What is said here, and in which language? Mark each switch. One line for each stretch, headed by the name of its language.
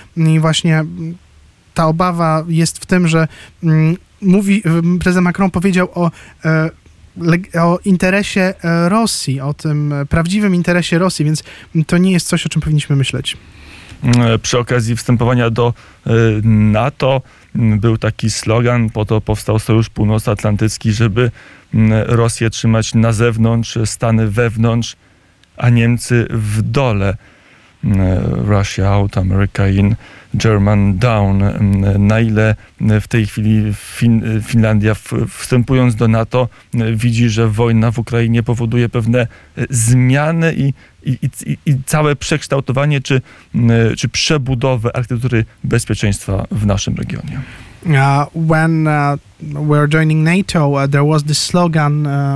Polish: I właśnie ta obawa jest w tym, że mówi, prezydent Macron powiedział o interesie Rosji, o tym prawdziwym interesie Rosji, więc to nie jest coś, o czym powinniśmy myśleć. Przy okazji wstępowania do NATO był taki slogan, po to powstał Sojusz Północnoatlantycki, żeby Rosję trzymać na zewnątrz, Stany wewnątrz, a Niemcy w dole.
English: Russia out, America in, German down.
Polish: Na ile w tej chwili Finlandia, wstępując do NATO, widzi, że wojna w Ukrainie powoduje pewne zmiany i całe przekształtowanie czy przebudowę architektury bezpieczeństwa w naszym regionie?
English: When we're joining NATO, there was this slogan...